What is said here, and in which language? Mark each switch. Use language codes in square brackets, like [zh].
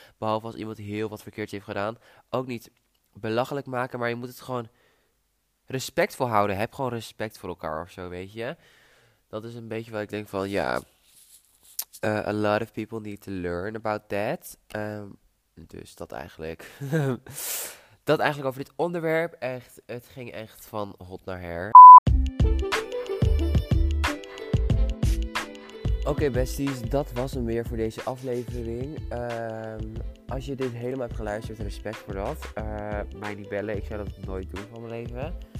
[nl] Behalve als iemand heel wat verkeerd heeft gedaan. Ook niet belachelijk maken. Maar je moet het gewoon respectvol houden. Heb gewoon respect voor elkaar of zo, weet je. Dat is een beetje wat ik denk van, ja. [en] A lot of people need to learn about that. [nl] Dus dat eigenlijk. Dat eigenlijk over dit onderwerp echt, het ging echt van hot naar her. Oké, besties, dat was hem weer voor deze aflevering. Als je dit helemaal hebt geluisterd, respect voor dat. Mij niet bellen, ik zou dat nooit doen van mijn leven.